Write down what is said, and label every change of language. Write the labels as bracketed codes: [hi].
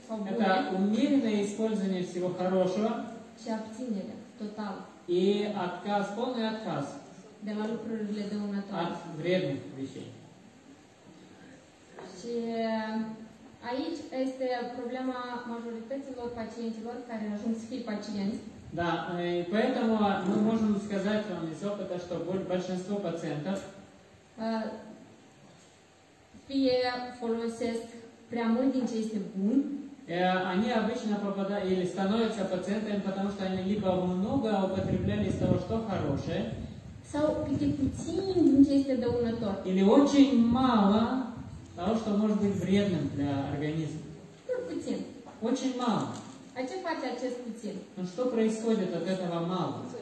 [ru] Это умеренное использование всего хорошего. [ro] И обтинение, тотал. [ru] И отказ, полный отказ. [ro] De la lucrurile dăunătoare. [ru] От вредных вещей. [ro] Și aici este problema majorităților pacienților care ajung să fie pacienți. [ru] Да, и поэтому мы можем сказать вам из опыта, что большинство пациентов [ro] fie folosesc prea mult din ce este bun, [ru] Они обычно попадают или становятся пациентами, потому что они либо много употребляли из того, что хорошее, [ro] sau câte puțin din ce este dăunător. [ru] Или очень мало того, что может быть вредным для организма. [ro] Cât puțin. [ru] Очень мало. [ro] А ce face acest puțin? [ru] Ну что происходит от этого мало?